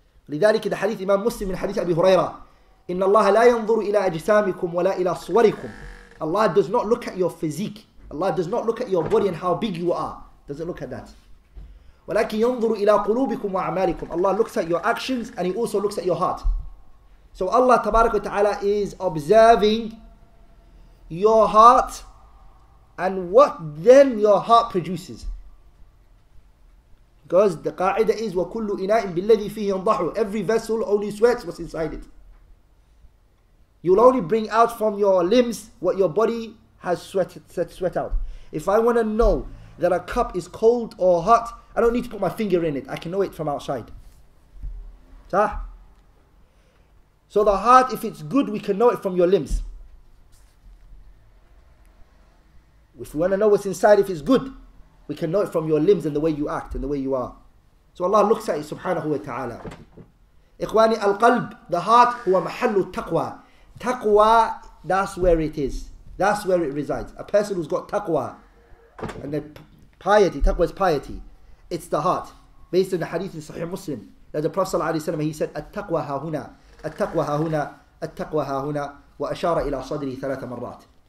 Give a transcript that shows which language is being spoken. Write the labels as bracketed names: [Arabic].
[Arabic] لذلك the hadith Imam Muslim من حديث أبي هريرة إن الله لا ينظر إلى أجسامكم ولا إلى صوركم. [English] Allah does not look at your physique. Allah does not look at your body and how big you are. Doesn't look at that. [Arabic] ولكن ينظر إلى قلوبكم وأعمالكم. [English] Allah looks at your actions and He also looks at your heart. So Allah تبارك وتعالى is observing your heart and what then your heart produces. [Arabic] Because the قاعدة is وكل إناء بالذي فيه ينضح. [English] Every vessel only sweats what's inside it. You'll only bring out from your limbs what your body has sweat out. If I want to know that a cup is cold or hot, I don't need to put my finger in it. I can know it from outside. So the heart, if it's good, we can know it from your limbs. If we want to know what's inside, if it's good, we can know it from your limbs and the way you act and the way you are. So Allah looks at it, subhanahu wa ta'ala. [Arabic] إخواني القلب, the heart, هو محل التقوى. [English] Taqwa, that's where it is. That's where it resides. A person who's got taqwa, and then piety, taqwa is piety. It's the heart. Based on the hadith in Sahih Muslim, that the Prophet sallallahu alayhi wa sallam, he said, At-taqwa hahuna, at-taqwa hahuna, at-taqwa hahuna, wa ashara ila sadri thalatha marrat.